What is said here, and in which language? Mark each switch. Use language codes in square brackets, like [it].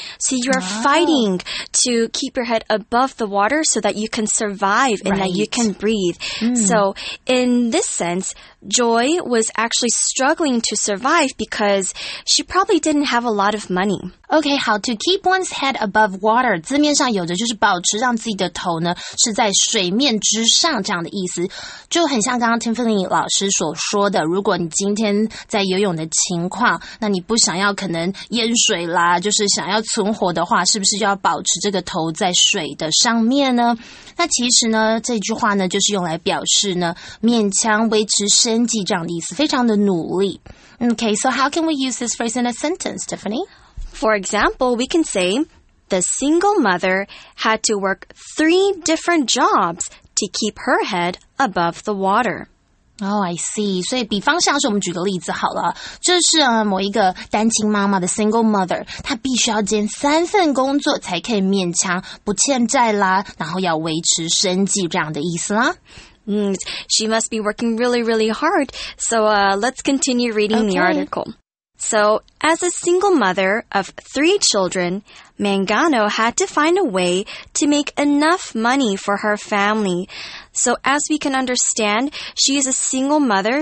[en] So you are fighting to keep your head above the water so that you can survive and that you can breathe. Mm. So in this sense, Joy was actually struggling to survive because she probably didn't have a lot of money. Okay, how to keep one's head above water. [zh] 字面上有的就是保持让自己的头呢是在水面之上这样的意思。就很像刚刚 Tiffany 老师所说的，如果你今天在游泳的情况，那你不想要可能淹水啦，就是想要存活的话，是不是就要保持这个头在水的上面呢？那其实呢，这句话呢，就是用来表示呢，勉强维持生计这样的意思，非常的努力。 [en] Okay, so how can we use this phrase in a sentence, Tiffany? For example, we can say, the single mother had to work three different jobs to keep her head above the water. Oh, I see. [zh] 所以比方像是我们举个例子好了，就是某一个单亲妈妈的 single mother， 她必须要兼三份工作才可以勉强不欠债啦，然后要维持生计这样的意思啦。 [en] 嗯、she must be working really, really hard. So, let's continue reading the article. So, as a single mother of three children, Mangano had to find a way to make enough money for her family. So as we can understand, she is a single mother.